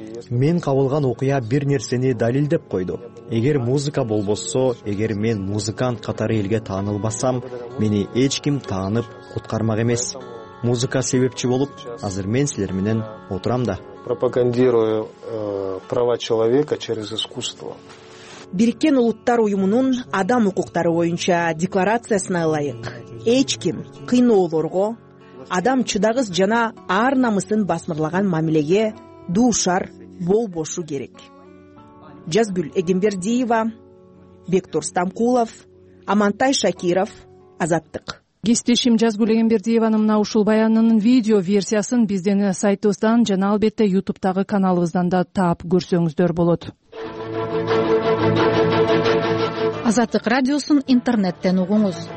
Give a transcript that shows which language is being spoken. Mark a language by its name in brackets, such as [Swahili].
[Kyrgyz] Мен кабылган окуя бир нерсени далилдеп койду. Эгер музыка болбосо, эгер мен музыкант катары элге таанылбасам, мени эч ким таанып куткармак эмес. Музыка себепчи болуп, азыр мен силер менен отурам да. [Russian] Пропагандирую права человека через искусство. [Kyrgyz] Бириккен улуттар уюмунун адам укуктары боюнча декларациясына ылайык, эч ким кыйноолорго, адам чыдагыс жана ар намысын басмырлаган мамилеге дуушар болбошу керек. Жазгүл Эгембердиева, Бектур Стамкулов, Амантай Шакиров, Азаттык. Кесиптешим Жазгүл Эгембердиеванын мына ушул баянынын видео версиясын биздин сайтыбыздан жана албетте YouTube-тагы каналыбыздан да таап көрсөңүздөр болот. Азаттык радиосун интернеттен угуңуз.